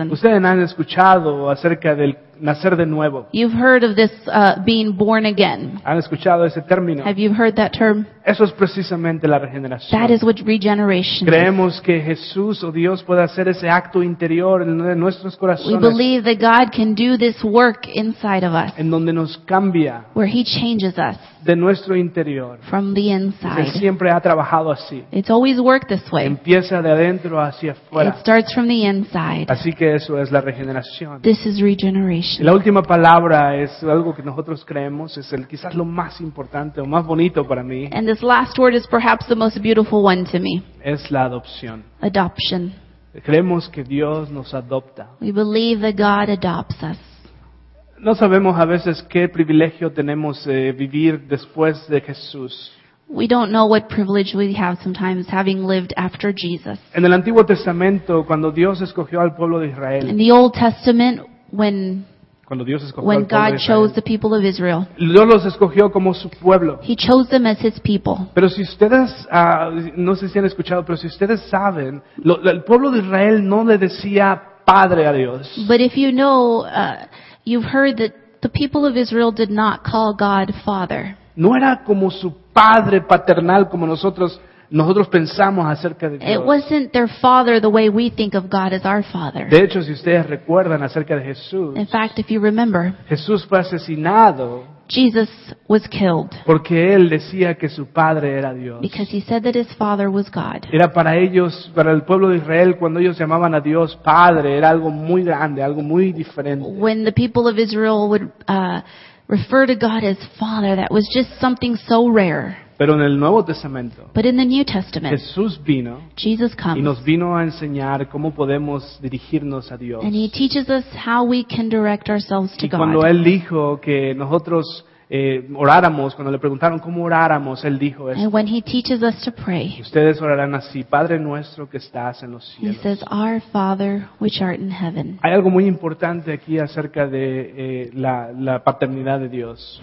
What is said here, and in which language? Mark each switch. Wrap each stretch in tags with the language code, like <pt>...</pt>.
<es>Ustedes han escuchado acerca del nacer de nuevo.</es> <en>You've heard of this being born again.</en> <es>¿Han escuchado ese término?</es> <en>Have you heard that term?</en> <es>Eso es precisamente la regeneración.</es> <en>That is what regeneration</en> <es>creemos</es> <en>is.</en> <es>Que Jesús o Dios puede hacer ese acto interior en nuestros corazones.</es> <en>We believe that God can do this work inside of us.</en> <es>En donde nos cambia.</es> <en>Where he changes us.</en> <es>De nuestro interior.</es> <en>From the inside.</en> <es>Él siempre ha trabajado así.</es> <en>It's always worked this way.</en> <es>Empieza de adentro hacia afuera.</es> <en>It starts from the inside.</en> <es>Así que eso es la regeneración.</es> <en>This is regeneration.</en> <es>La última palabra es algo que nosotros creemos es el quizás lo más importante o más bonito para mí.</es> <en>And this last word is perhaps the most beautiful one to me.</en> <es>Es la adopción.</es> <en>Adoption.</en> <es>Creemos que Dios nos adopta.</es> <en>We believe that God adopts us.</en> <es>No sabemos a veces qué privilegio tenemos vivir después de Jesús.</es> <en>We don't know what privilege we have sometimes having lived after Jesus.</en> <es>En el Antiguo Testamento, cuando Dios escogió al pueblo de Israel.</es> <en>In the Old Testament, when</en> <es>cuando Dios escogió</es> <en>when</en> <es>al pueblo</es> <en>God</en> <es>de</es> <en>chose</en> <es>Israel,</es> <en>the people of Israel.</en> <es>Dios los escogió como su pueblo.</es> <en>He chose them as his people.</en> <es>Pero si ustedes no sé si han escuchado, pero si ustedes saben, el pueblo de Israel no le decía padre a Dios.</es> <en>But if you know you've heard that the people of Israel did not call God father.</en> <es>No era como su padre paternal como nosotros pensamos acerca de Dios.</es> <en>It wasn't their father the way we think of God as our father.</en> <es>De hecho, si ustedes recuerdan acerca de Jesús.</es> <en>In fact, if you remember.</en> <es>Jesús fue asesinado.</es> <en>Jesus was killed.</en> <es>Porque él decía que su padre era Dios.</es> <en>Because he said that his father was God.</en> <es>Era para ellos, para el pueblo de Israel, cuando ellos llamaban a Dios padre, era algo muy grande, algo muy diferente.</es> <en>When the people of Israel would refer to God as father, that was just something so rare.</en> <es>Pero en el Nuevo Testamento.</es> <en>But in the New Testament.</en> <es>Jesús vino.</es> <en>Jesus comes.</en> <es>Y nos vino a enseñar cómo podemos dirigirnos a Dios.</es> <en>And he teaches us how we can direct ourselves to God.</en> <es>Y cuando él dijo que nosotros oráramos, cuando le preguntaron cómo oráramos, él dijo esto.</es> <en>And when he teaches us to pray.</en> <es>Ustedes orarán así, Padre nuestro que estás en los cielos.</es> <en>He says, our Father which art in heaven.</en> <es>Hay algo muy importante aquí acerca de la paternidad de Dios.</es>